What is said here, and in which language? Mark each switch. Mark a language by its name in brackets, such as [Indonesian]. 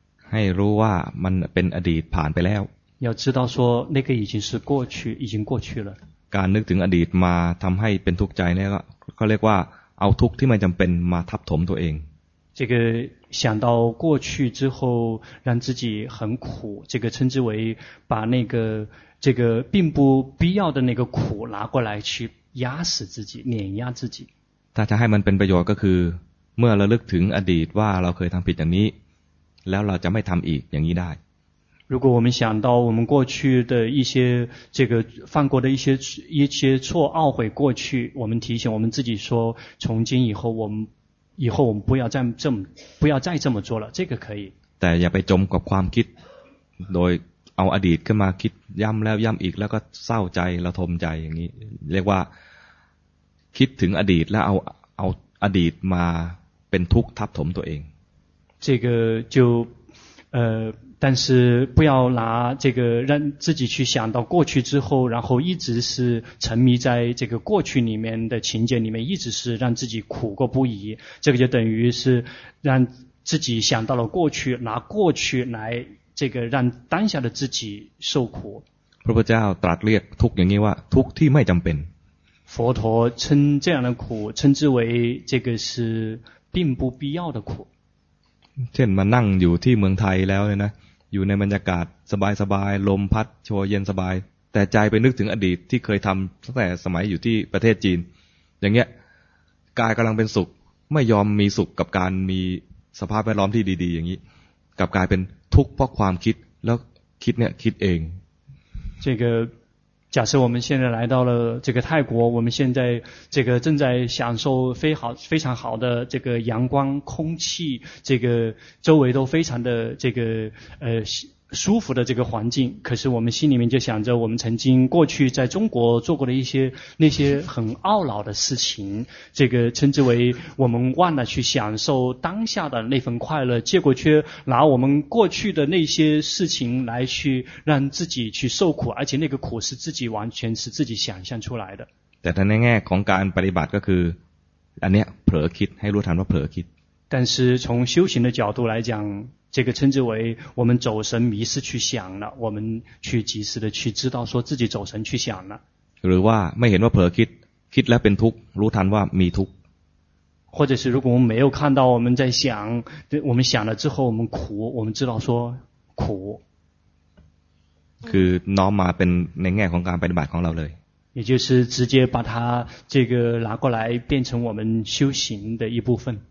[Thai] ให้รู้ว่ามันเป็นอดีตผ่านไปแล้ว [Chinese] 要知道说那个已经是过去已经过去了 [Thai] การนึกถึงอดีตมาทำให้เป็นทุกข์ใจเนี่ยก็เรียกว่าเอาทุกข์ที่ไม่จำเป็นมาทับถมตัวเอง [Chinese] เจ想到过去之后让自己很苦这个称之为把那个这个并不必要的那个苦拿过来去压死自己碾压自己 [Thai] ถ้าจะให้มันเป็นประโยชน์ก็คือเมื่อระลึกถึงอดีตว่าเราเคยทำผิดอย่างนี้แล้วเราจะไม่ทำอีกอย่างนี้ได้ [Chinese] 如果我们想到我们过去的一些这个犯过的一些错懊悔过去我们提醒我们自己说从今以后我们不要再这么做了，这个可以。 [Thai] 但อย่าไปจมกับความคิดโดยเอาอดีตขึ้นมาคิดย้ำแล้วย้ำอีกแล้วก็เศร้าใจระทมใจอย่างนี้เรียกว่าคิดถึงอดีตแล้วเอาอดีตมาเป็นทุกข์ทับถมตัวเอง。 [Chinese] 这个就但是不要拿这个让自己去想到过去之后然后一直是沉迷在这个过去里面的情节里面一直是让自己苦过不已这个就等于是让自己想到了过去拿过去来这个让当下的自己受苦 [Thai] พระพุทธเจ้าตรัสเรียกทุกข์อย่างนี้ว่าทุกข์ที่ไม่จำเป็น [Chinese] 佛陀称这样的苦称之为这个是并不必要的苦 [Thai] เช่นมานั่งอยู่ที่เมืองไทยแล้วเนี่ยนะอยู่ในบรรยากาศสบายๆลมพัดโชยเย็นสบายแต่ใจไปนึกถึงอดีตที่เคยทำตั้งแต่สมัยอยู่ที่ประเทศจีนอย่างเงี้ยกายกำลังเป็นสุขไม่ยอมมีสุขกับการมีสภาพแวดล้อมที่ดีๆอย่างนี้กับกลายเป็นทุกข์เพราะความคิดแล้วคิดเนี่ยคิดเอง [Chinese] 这个假设我们现在来到了这个泰国我们现在这个正在享受非常好的这个阳光空气这个周围都非常的这个舒服的这个环境可是我们心里面就想着我们曾经过去在中国做过的一些那些很懊恼的事情这个称之为我们忘了去享受当下的那份快乐结果却拿我们过去的那些事情来去让自己去受苦而且那个苦是自己完全是自己想象出来的 [Thai] แต่ในแง่ของการปฏิบัติก็คืออันเนี้ยเผลอคิดให้รู้ทันว่าเผลอคิด [Chinese] 但是从修行的角度来讲这个称之为我们走神迷失去想了我们去及时的去知道说自己走神去想了 [Thai] หรือว่าไม่เห็นว่าเผลอคิดคิดแล้วเป็นทุกข์รู้ทันว่ามีทุกข์ [Chinese] 或者是如果我们没有看到我们在想我们想了之后我们苦我们知道说苦 [Thai] คือน้อมมาเป็นในแง่ของการปฏิบัติของเราเลย [Chinese] 也就是直接把它这个拿过来变成我们修行的一部分